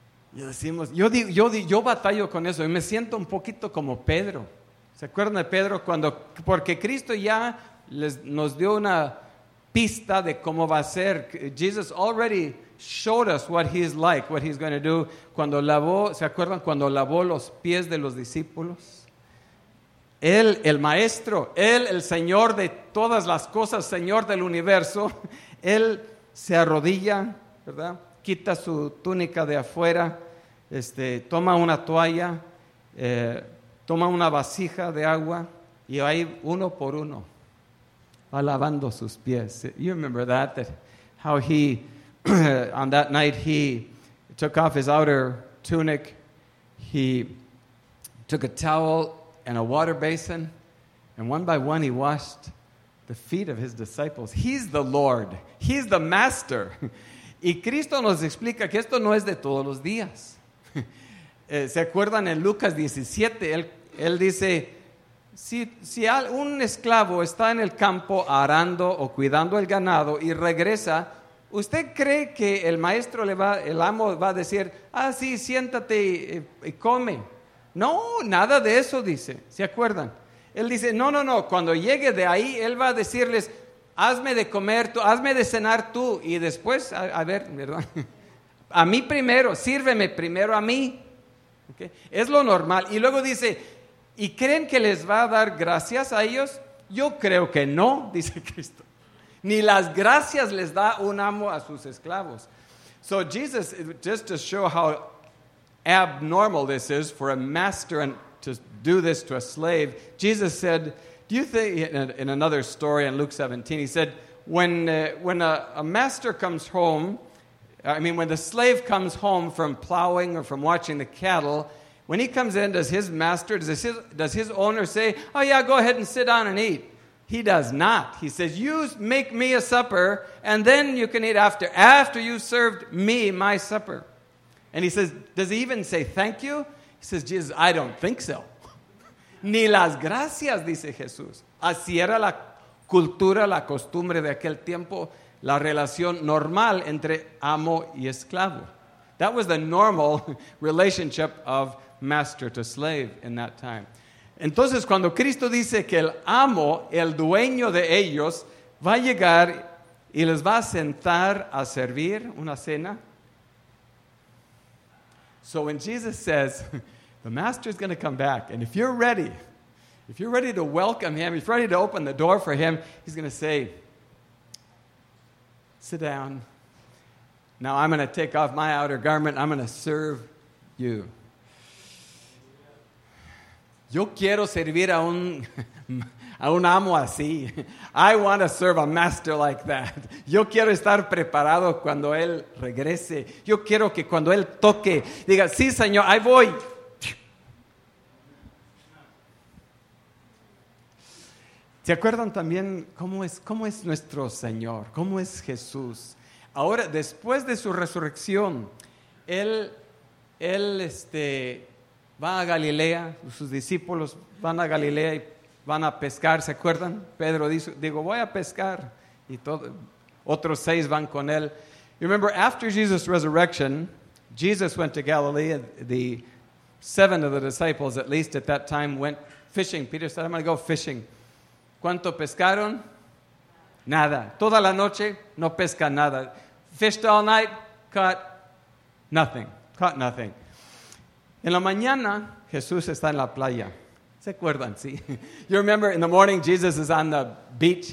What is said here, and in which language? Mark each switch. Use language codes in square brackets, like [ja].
[es] Y decimos, yo batallo con eso, y me siento un poquito como Pedro. ¿Se acuerdan de Pedro? Cuando, porque Cristo ya nos dio una pista de cómo va a ser. [en] Jesus already showed us what he's like, what he's going to do. [es] Cuando lavó, ¿se acuerdan? Cuando lavó los pies de los discípulos. Él, el maestro, Él, el Señor de todas las cosas, Señor del universo, Él se arrodilla, ¿verdad? Quita su túnica de afuera, toma una toalla, toma una vasija de agua y va uno por uno, va lavando sus pies. [en] You remember that how he, on that night, he took off his outer tunic, he took a towel and a water basin, and one by one he washed the feet of his disciples. He's the Lord. He's the master. [es] Y Cristo nos explica que esto no es de todos los días. ¿Se acuerdan en Lucas 17? Él dice, si un esclavo está en el campo arando o cuidando el ganado y regresa, ¿usted cree que el maestro el amo va a decir, ah, sí, siéntate y come? No, nada de eso dice, ¿se acuerdan? Él dice, no, cuando llegue de ahí, él va a decirles, hazme de comer tú, hazme de cenar tú, y después, a ver, ¿verdad? A mí primero, sírveme primero a mí. ¿Okay? Es lo normal. Y luego dice, ¿y creen que les va a dar gracias a ellos? Yo creo que no, dice Cristo. Ni las gracias les da un amo a sus esclavos. [en] So Jesus, just to show how abnormal this is for a master and to do this to a slave, Jesus said, do you think, in another story in Luke 17, he said, when a master comes home, I mean, when the slave comes home from plowing or from watching the cattle, when he comes in, does his owner say, oh yeah, go ahead and sit down and eat? He does not. He says, you make me a supper, and then you can eat after you've served me my supper. And he says, does he even say thank you? He says, Jesus, I don't think so. [es] Ni las gracias, dice Jesús. Así era la cultura, la costumbre de aquel tiempo, la relación normal entre amo y esclavo. [en] That was the normal relationship of master to slave in that time. [es] Entonces, cuando Cristo dice que el amo, el dueño de ellos, va a llegar y les va a sentar a servir una cena. [en] So when Jesus says, the master is going to come back, and if you're ready to welcome him, if you're ready to open the door for him, he's going to say, sit down. Now I'm going to take off my outer garment. I'm going to serve you. [es] Yo quiero servir a un amo así. [en] I want to serve a master like that. [es] Yo quiero estar preparado cuando él regrese. Yo quiero que cuando él toque, diga, sí, señor, ahí voy. ¿Se acuerdan también cómo es nuestro Señor? ¿Cómo es Jesús? Ahora, después de su resurrección, Él va a Galilea, sus discípulos van a Galilea y van a pescar, ¿se acuerdan? Pedro dice, digo, voy a pescar, y otros seis van con Él. [en] You remember, after Jesus' resurrection, Jesus went to Galilee, the seven of the disciples, at least at that time, went fishing. Peter said, I'm going to go fishing. [es] ¿Cuánto pescaron? Nada. Toda la noche, no pesca nada. [en] Fished all night, caught nothing. Caught nothing. [es] En la mañana, Jesús está en la playa. ¿Se acuerdan? Sí. [en] You remember, in the morning, Jesus is on the beach.